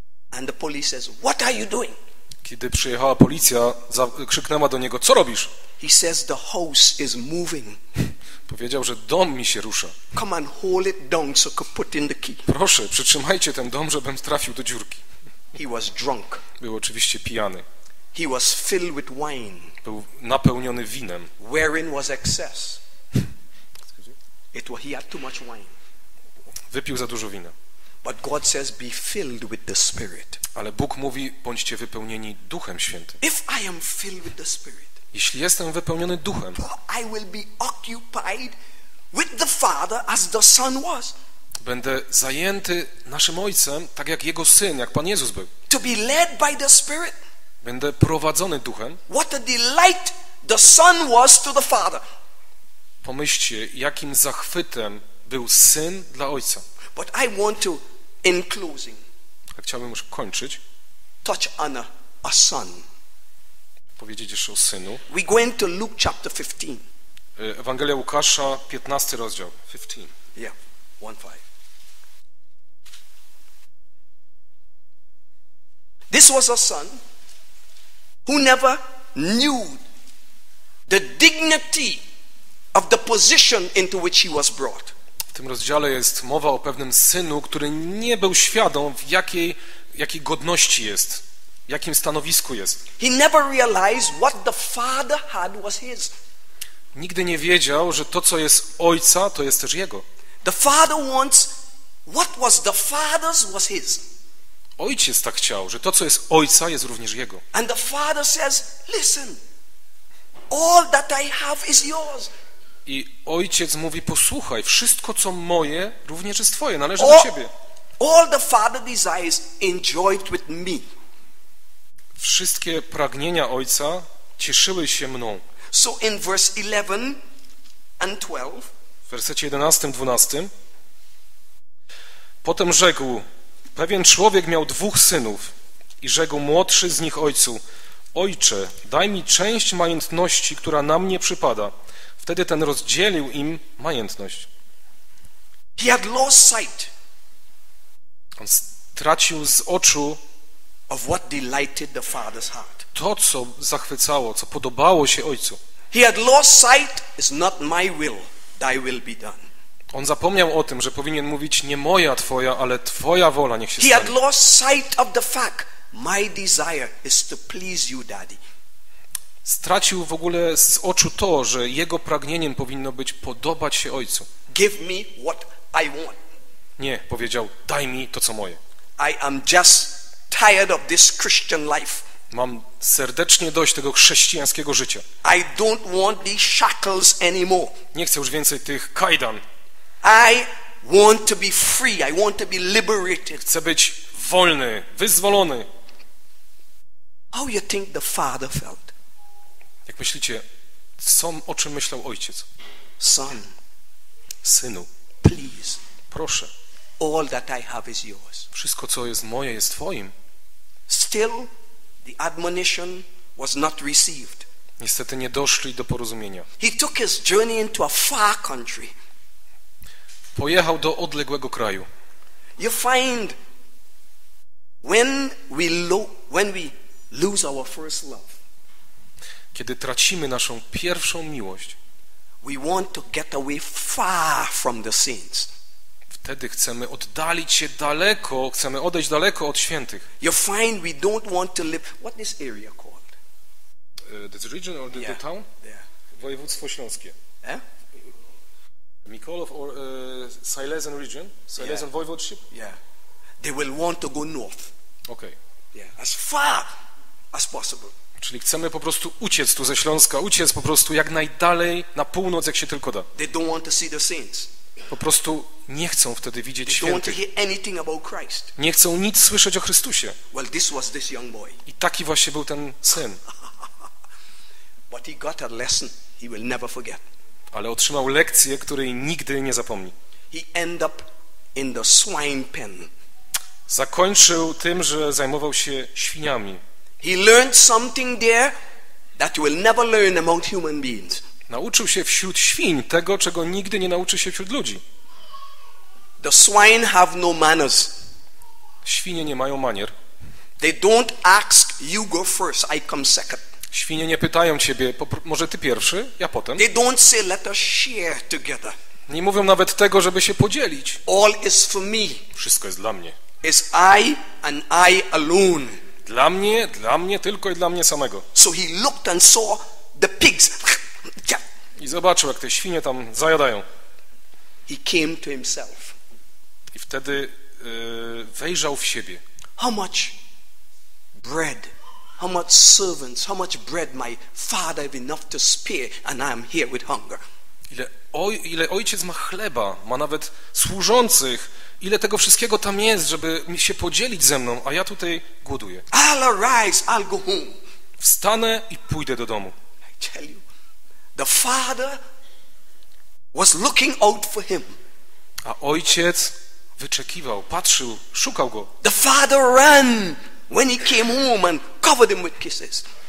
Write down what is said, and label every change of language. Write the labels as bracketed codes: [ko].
[en] And the police says, "What are you doing?" [pl] Kiedy przyjechała policja, krzyknęła do niego: "Co robisz?" [en] He says, "The house is moving." [pl] Powiedział, że dom mi się rusza. [en] "Come and hold it down so I can put in the key." [pl] Proszę, przytrzymajcie ten dom, żebym trafił do dziurki. [en] He was drunk. [pl] Był oczywiście pijany. [en] He was filled with wine. [pl] Był napełniony winem. [en] Wherein was excess. He had too much wine. [pl] Wypił za dużo wina. [en] But God says, be filled with the Spirit. [pl] Ale Bóg mówi, bądźcie wypełnieni Duchem Świętym. [en] If I am filled with the Spirit, [pl] jeśli jestem wypełniony Duchem, [en] I will be occupied with the Father as the Son was. [pl] Będę zajęty naszym Ojcem, tak jak Jego Syn, jak Pan Jezus był. [en] To be led by the Spirit. [pl] Będę prowadzony Duchem. [en] What a delight the Son was to the Father. [pl] Pomyślcie, jakim zachwytem był Syn dla Ojca. [en] But I want to, in closing, [pl] chciałbym już kończyć. [en] Touch on a son. [pl] Powiedzieć jeszcze o Synu. [en] We go into Luke chapter 15. [pl] Ewangelia Łukasza, 15 rozdział. [en] 15. Yeah, 1:5. This was a son who never knew the dignity of the position into which he was brought. [pl] W tym rozdziale jest mowa o pewnym synu, który nie był świadom, w jakiej jakiej godności jest, jakim stanowisku jest. [en] He never realized what the Father had was his. [pl] Nigdy nie wiedział, że to, co jest Ojca, to jest też Jego. [en] The Father wants what was the Father's was his. [pl] Ojciec tak chciał, że to, co jest Ojca, jest również Jego. [en] And the Father says, listen, all that I have is yours. [pl] I Ojciec mówi, posłuchaj, wszystko, co moje, również jest Twoje, należy [en] all, [pl] do Ciebie. [en] All the Father desires, enjoy it with me. [pl] Wszystkie pragnienia Ojca cieszyły się mną. [en] So in verse 11 and 12, [pl] w wersecie 11, 12, potem rzekł, pewien człowiek miał dwóch synów i rzekł młodszy z nich ojcu, ojcze, daj mi część majątności, która na mnie przypada. Wtedy ten rozdzielił im majątność. [en] He had lost sight. [pl] On stracił z oczu [en] of what delighted the father's heart. [pl] To, co zachwycało, co podobało się ojcu. [en] He had lost sight, it's not my will, thy will be done. [pl] On zapomniał o tym, że powinien mówić nie moja, twoja, ale twoja wola niech się stanie. [en] He had lost sight of the fact, my desire is to please you, daddy. [pl] Stracił w ogóle z oczu to, że jego pragnieniem powinno być podobać się ojcu. [en] Give me what I want. [pl] Nie, powiedział, daj mi to, co moje. [en] I am just tired of this Christian life. [pl] Mam serdecznie dość tego chrześcijańskiego życia. [en] I don't want these shackles anymore. [pl] Nie chcę już więcej tych kajdan. [en] I want to be free. I want to be liberated. [pl] Chcę być wolny, wyzwolony. [en] How you think the father felt? [pl] Jak myślicie, co, o czym myślał ojciec? [en] Son, [pl] synu, [en] please, [pl] proszę. [en] All that I have is yours. [pl] Wszystko, co jest moje, jest twoim. [en] Still, the admonition was not received. [pl] Niestety nie doszli do porozumienia. [en] He took his journey into a far country. [pl] Pojechał do odległego kraju. [en] You find when we lose our first love. [pl] Kiedy tracimy naszą pierwszą miłość. [en] We want to get away far from the saints. [pl] Wtedy chcemy oddalić się daleko, chcemy odejść daleko od świętych. [en] You find we don't want to live. What this area called? This region or the, yeah, the town? Yeah. [pl] Województwo śląskie. Eh? [en] Mikołow or Silesian region, Silesian, yeah, voivodeship? Yeah. They will want to go north. Okay. Yeah, as far as possible. [pl] Czyli chcemy po prostu uciec tu ze Śląska, uciec po prostu jak najdalej na północ, jak się tylko da. [en] They don't want to see the saints. [pl] Po prostu nie chcą wtedy widzieć [en] they [pl] świętych. [en] Don't want to hear anything about Christ. [pl] Nie chcą nic słyszeć o Chrystusie. [en] Well, this was this young boy. [pl] I taki właśnie był ten syn. [en] But he got a lesson he will never forget. [pl] Ale otrzymał lekcję, której nigdy nie zapomni. [en] He end up in the swine pen. [pl] Zakończył tym, że zajmował się świniami. [en] He learned something there that you will never learn among human beings. [pl] Nauczył się wśród świń tego, czego nigdy nie nauczy się wśród ludzi. [en] The swine have no manners. [pl] Świnie nie mają manier. [en] They don't ask you go first, I come second. [pl] Świnie nie pytają ciebie, może ty pierwszy, ja potem. [en] They don't say, let us share together. [pl] Nie mówią nawet tego, żeby się podzielić. [en] All is for me. [pl] Wszystko jest dla mnie. [en] It's I and I alone. [pl] Dla mnie tylko i dla mnie samego. [en] So he looked and saw the pigs. [pl] I zobaczył, jak te świnie tam zajadają. [en] He came to himself. [pl] I wtedy wejrzał w siebie. [en] How much bread? How much servants, how much bread my father have enough to spare and I am here with hunger. [pl] Ile ojciec ma chleba, ma nawet służących, ile tego wszystkiego tam jest, żeby mi się podzielić ze mną, a ja tutaj głoduję. [en] I'll arise, I'll go home. [pl] Wstanę i pójdę do domu. [en] I tell you, the father was looking out for him. [pl] A ojciec wyczekiwał, patrzył, szukał go. [en] The father ran when he came home and covered him with kisses.